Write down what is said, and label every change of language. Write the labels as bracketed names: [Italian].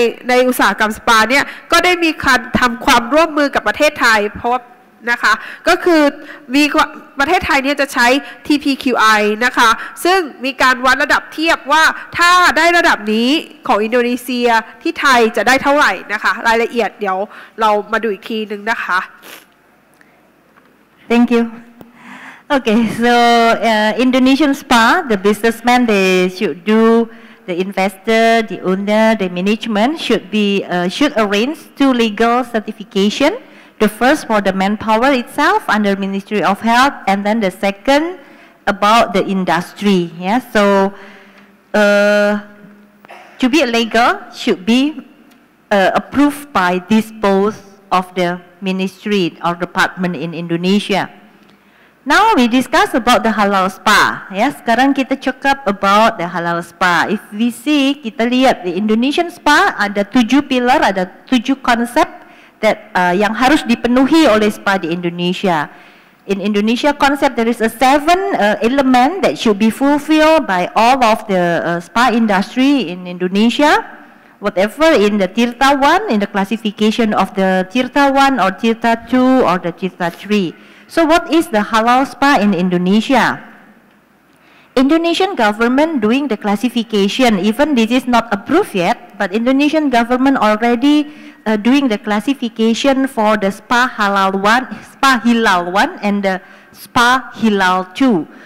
[Thai] ในอุตสาหกรรมสปาเนี่ยก็ได้มีการทำความร่วมมือกับประเทศไทยเพราะว่านะคะก็คือมีประเทศไทยเนี่ยจะใช้ TPQI นะคะซึ่งมีการวัดระดับเทียบว่าถ้าได้ระดับนี้ของอินโดนีเซียที่ไทยจะได้เท่าไหร่นะคะรายละเอียดเดี๋ยวเรามาดูอีกทีนึงนะคะ [English] Thank you Okay so Indonesian spa the businessman they should do the investor the owner the management should arrange two legal certification. The first for the manpower itself under Ministry of Health, and then the second about the industry. Yeah, so to be a legal should be approved by this both of the ministry or department in Indonesia. Now we discuss about the halal spa. Yeah, [Malay] sekarang kita cakap [English] about the halal spa. If we see, [Indonesian] kita lihat [English] the Indonesian spa ada 7 pillar, ada 7 concept. [Indonesian] That yang harus dipenuhi oleh spa di Indonesia. [English] In Indonesia concept, there is a 7 element that should be fulfilled by all of the spa industry in Indonesia. Whatever in the Tirta 1, in the classification of the Tirta 1 or Tirta 2 or the Tirta 3. So what is the halal spa in Indonesia? Indonesian government doing the classification, even this is not approved yet, but Indonesian government alreadydoing the classification for the spa halal one, spa hilal one, and the spa hilal two.